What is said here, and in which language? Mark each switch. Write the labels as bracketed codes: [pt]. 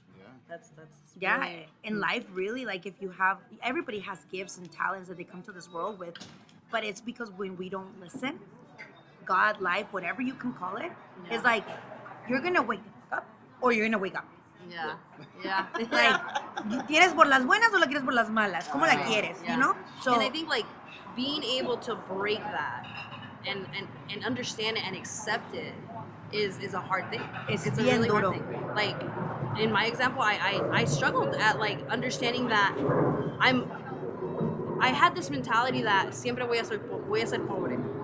[en] Yeah. That's really, yeah. In life, really, like, if you have, everybody has gifts and talents that they come to this world with, but it's because when we don't listen, God, life, whatever you can call it, yeah, is, like, you're going to wake up or you're going to wake up. Yeah. [es] Like, ¿quieres por las buenas o la quieres por las malas? ¿Cómo la quieres? [en] Yeah. You know? So, and I think, like, being able to break that and understand it and accept it is a hard thing. It's a really hard thing. Like, in my example, I struggled at, like, understanding that I had this mentality that [es] siempre voy a ser pobre.